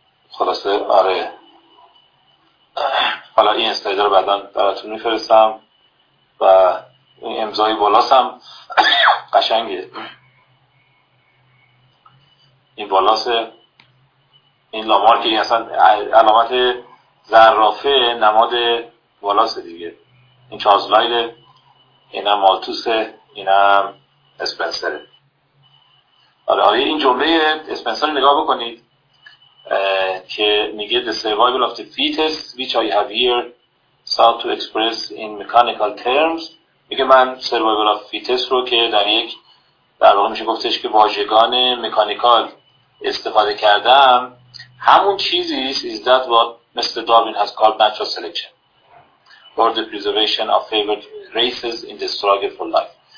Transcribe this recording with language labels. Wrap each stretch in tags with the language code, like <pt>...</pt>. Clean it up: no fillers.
<fa>خلاصه آره، حالا این استاید رو بعدان براتون میفرستم و امضای والاس هم قشنگه، این والاس، این لامارکی اصلا علامت زرافه نماد والاس دیگه، این چارلز لایل، اینم مالتوسه، اینم اسپنسره. حالا این جمله اسپنسر نگاه بکنید که میگه</fa> <en>the survival of the fittest which I have here sought to express in mechanical terms.</en> <fa>میگه من</fa> <en>survival of fittest</en> <fa>رو که در یک در واقع میشه گفتش که واژگان مکانیکال استفاده کردم، همون چیزی است</fa> <en>is that what Mr. Darwin has called natural selection for the preservation of favored races in the struggle for life.</en>